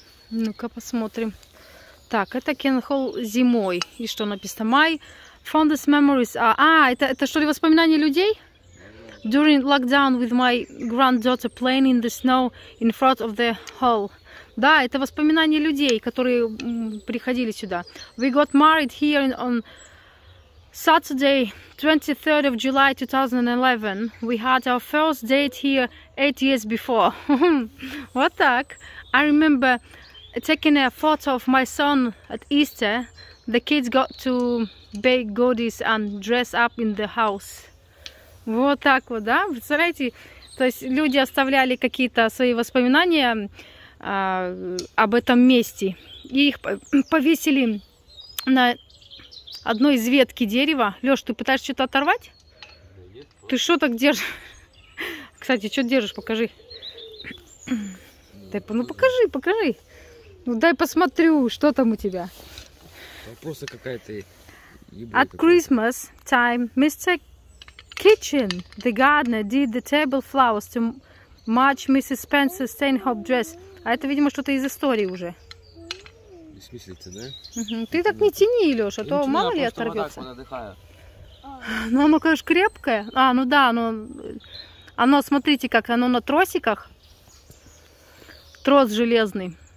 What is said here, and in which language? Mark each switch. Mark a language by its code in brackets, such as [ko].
[ru] Ну-ка посмотрим. Так, это Кенхол зимой. И что написано? [en] My fondest memories are... [ru] А, это что ли воспоминания людей? [en] During lockdown with my granddaughter playing in the snow in front of the hall. [ru] Да, это воспоминания людей, которые приходили сюда. [en] We got married here on Saturday, 23rd of July, 2011. We had our first date here 8 years before. [ru] Вот так. [en] I remember... Taking a photo of my son at Easter, the kids got to bake goodies and dress up in the house. [ru] Вот так вот, да? Представляете? То есть люди оставляли какие-то свои воспоминания об этом месте. И их повесили на одной из ветки дерева. Лёш, ты пытаешься что-то оторвать? Да, ты что так держишь? Кстати, что держишь? Покажи. Да, ну покажи, покажи. Ну дай посмотрю, что там у тебя. Просто какая-то. [en] At Christmas time, Mr. Kitchen, the gardener, did the table flowers to match Mrs. Spencer Stanhope dress. [ru] А это, видимо, что-то из истории уже. В смысле, да? Угу. Ты так не тяни, Лёша, а то ну, мало ли оторвется. Ну оно, конечно, крепкое. А, ну да, оно, смотрите, как оно на тросиках. Трос железный.